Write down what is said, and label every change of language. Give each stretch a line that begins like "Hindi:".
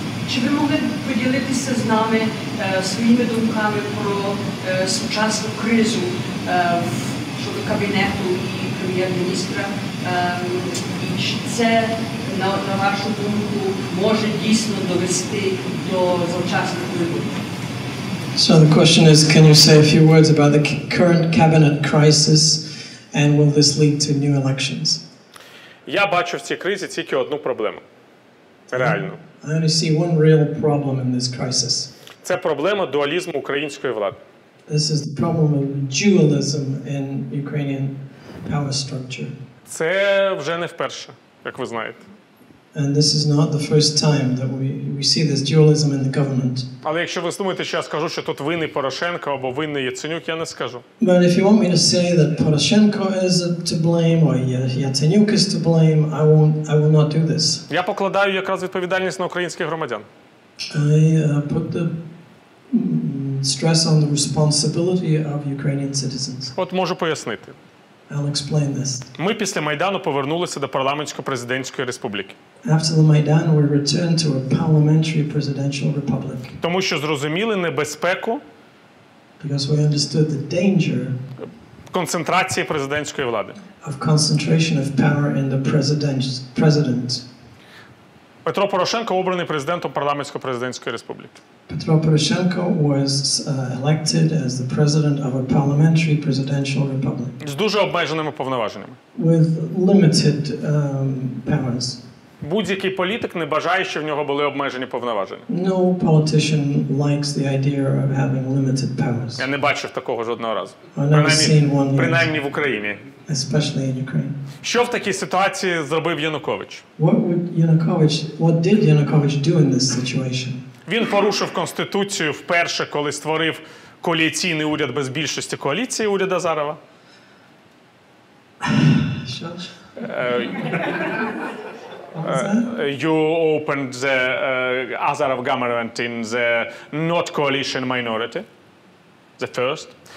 Ukrainian: Чи ви могли поділитися з нами своїми думками про сучасну кризу щодо кабінету
English: So the question is, can you say a few words about the current cabinet crisis and will this lead to new elections?
Ukrainian: Я бачу в цій кризі тільки одну проблему. Реальну.
English: I only see one real problem in this crisis.
Ukrainian: Це проблема дуалізму української влади.
English: This is the problem of dualism in Ukrainian power structure.
Ukrainian: Це вже не вперше, як ви знаєте.
English: And this is not the first time that we see this dualism in the government.
Ukrainian: Але якщо ви думаєте, що я скажу, що тут винний Порошенко або винний Яценюк, я не скажу.
English: But if you want me to say that Poroshenko is to blame or Yatsenyuk is to blame, I will not do this.
Ukrainian: Я покладаю якраз відповідальність на українських громадян.
English: I put the stress on the responsibility of Ukrainian citizens.
Ukrainian: От можу пояснити.
English: I'll explain this.
Ukrainian: Ми після Майдану повернулися до парламентсько-президентської республіки.
English: After the Maidan, we returned to a parliamentary presidential republic.
Ukrainian: Тому що зрозуміли небезпеку.
English: Because we understood the danger.
Ukrainian: Концентрації президентської влади.
English: Of concentration of power in the president.
Ukrainian: Петро Порошенко обраний президентом парламентсько-президентської республіки.
English: Петро Порошенко was elected as the president of a parliamentary presidential republic.
Ukrainian: З дуже обмеженими повноваженнями.
English: With limited powers.
Ukrainian: Будь-який політик не бажає, щоб в нього були обмежені повноваження.
English: No politician likes the idea of having limited powers.
Ukrainian: Я не бачив такого жодного разу. Принаймні в Україні.
English: Especially in Ukraine.
Ukrainian: Що в такій ситуації зробив Янукович?
English: What did Yanukovych do in this situation?
Ukrainian: Він порушив Конституцію вперше, коли створив коаліційний уряд без більшості коаліції уряду Азарова. Що?
English: You opened the Azarov government in the not coalition minority, the first.